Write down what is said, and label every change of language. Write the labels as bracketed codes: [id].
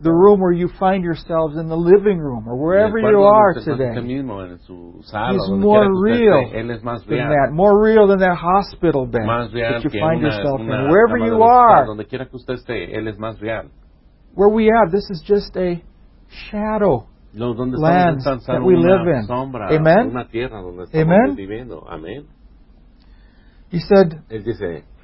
[en] The room where you find yourselves in the living room or wherever you are today. He's more real than that. More real than that hospital bed that you find yourself in. Wherever you are. [es] Donde quiera que usted esté, él es más real. [en] Where we are, this is just a shadow land that we live in. [es] Sombra, [en] amen? [es] Una tierra donde estamos [en] amen? [es] Viviendo. Amen? [en] He said, [es] él dice,